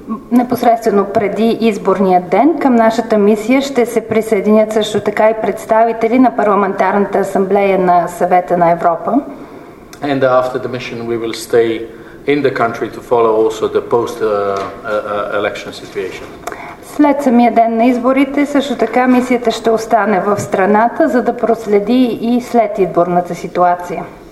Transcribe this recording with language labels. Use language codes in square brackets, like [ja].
[bg] Непосредствено преди изборния ден към нашата мисия ще се присъединят също така и представители на Парламентарната асамблея на Съвета на Европа. [en] And after the mission we will stay in the country to follow also the post election situation. [bg] След самия ден на изборите, също така мисията ще остане в страната, за да проследи и след изборната ситуация.